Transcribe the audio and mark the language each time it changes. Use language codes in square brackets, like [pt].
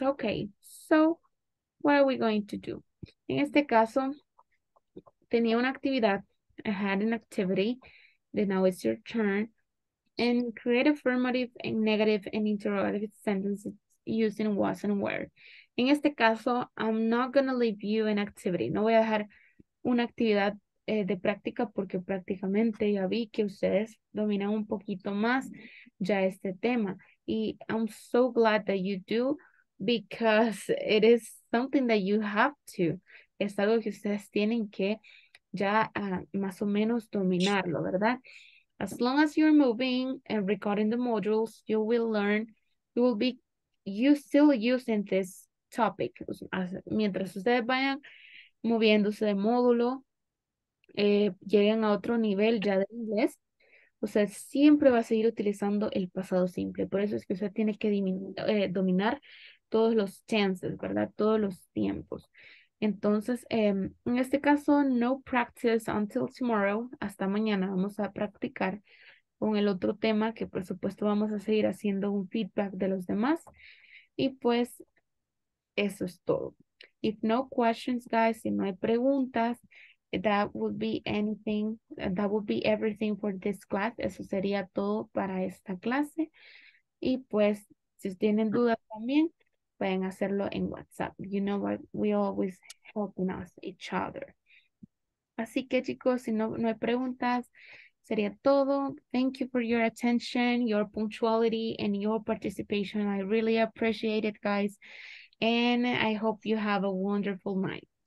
[en] Okay, so what are we going to do? [es] En este caso, tenía una actividad. [en] I had an activity. Then now it's your turn. And create affirmative and negative and interrogative sentences using was and where. [es] En este caso, [en] I'm not going to leave you an activity. [es] No voy a dejar una actividad de práctica porque prácticamente ya vi que ustedes dominan un poquito más ya este tema. [en] Y I'm so glad that you do because it is something that you have to. [es] Es algo que ustedes tienen que ya más o menos dominarlo, ¿verdad? [en] As long as you're moving and recording the modules, you will learn, you still using this topic. [es] Mientras ustedes vayan moviéndose de módulo, lleguen a otro nivel ya de inglés, usted siempre va a seguir utilizando el pasado simple. Por eso es que usted tiene que dominar todos los tenses, ¿verdad? Todos los tiempos. Entonces, en este caso, [en] no practice until tomorrow. [es] Hasta mañana vamos a practicar con el otro tema que, por supuesto, vamos a seguir haciendo un feedback de los demás. Y pues, eso es todo. [en] If no questions, guys, [es] si no hay preguntas, [en] that would be everything for this class. [es] Eso sería todo para esta clase. Y pues, si tienen dudas también, pueden hacerlo en WhatsApp. [en] You know what? We always helping us each other. [es] Así que, chicos, si no hay preguntas, sería todo. [en] Thank you for your attention, your punctuality, and your participation. I really appreciate it, guys. And I hope you have a wonderful night.